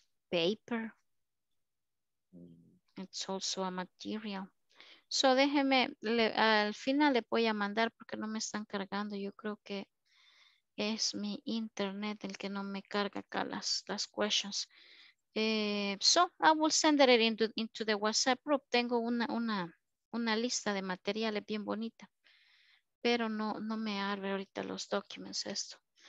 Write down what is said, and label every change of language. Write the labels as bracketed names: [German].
[English] Paper. It's also a material. [Spanish] So déjeme, al final le voy a mandar porque no me están cargando. Yo creo que es mi internet el que no me carga acá las questions. [English] So I will send it into the WhatsApp group. [Spanish] Tengo una lista de materiales bien bonita. Pero no me abre ahorita los documents esto.